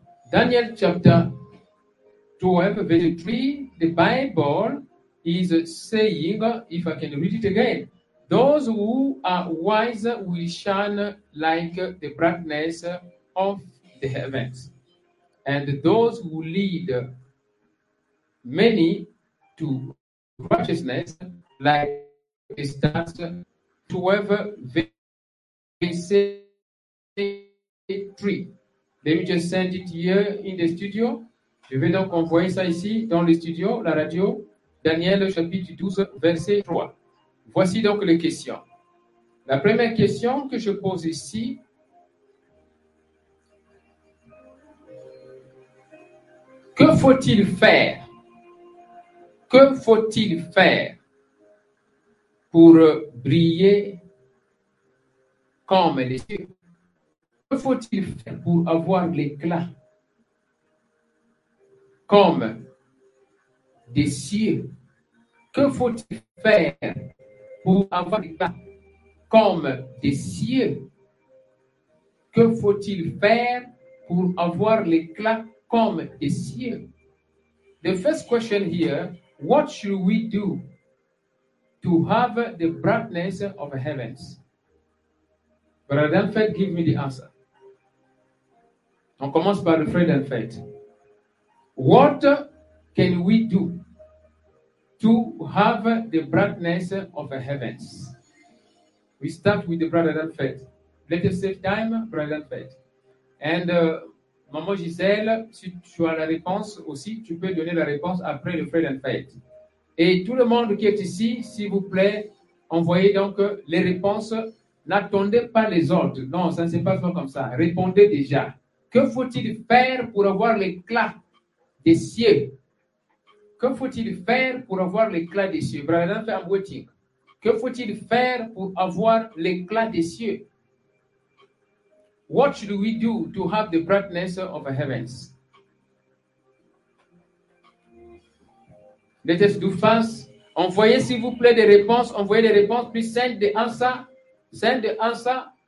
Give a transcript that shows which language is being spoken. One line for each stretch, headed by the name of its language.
English: Daniel, chapter 12, verse 3, the Bible is saying, if I can read it again, those who are wise will shine like the brightness of the heavens, and those who lead many to righteousness like the stars. 12, verse 3. Let me just send it here in the studio.
French: Je vais donc envoyer ça ici dans le studio, la radio, Daniel chapitre 12, verset 3. Voici donc les questions. La première question que je pose ici, Que faut-il faire? Que faut-il faire pour briller comme les cieux? Que faut-il faire pour avoir l'éclat comme des cieux? Que faut-il faire pour avoir l'éclat comme des cieux? Que faut-il faire pour avoir l'éclat comme des cieux?
English: The first question here, what should we do to have the brightness of heavens? Brother Delphet, give me the answer.
French: On commence par le frère Delphet.
English: What can we do to have the brightness of heavens? We start with the brother Delphet. Let us save time, brother Delphet.
French: And Maman Gisèle, si tu as la réponse aussi, tu peux donner la réponse après le frère Delphet. Et tout le monde qui est ici, s'il vous plaît, envoyez donc les réponses. N'attendez pas les autres. Non, ça ne se passe pas comme ça. Répondez déjà. Que faut-il faire pour avoir l'éclat des cieux? Que faut-il faire pour avoir l'éclat des cieux? Brother Delphet, en waiting. Que faut-il faire pour avoir l'éclat des cieux?
English: What should we do to have the brightness of the heavens? Let us do fast.
French: Envoyez, s'il vous plaît, des réponses. Envoyez des réponses.
English: Please send the answer. Send the answer.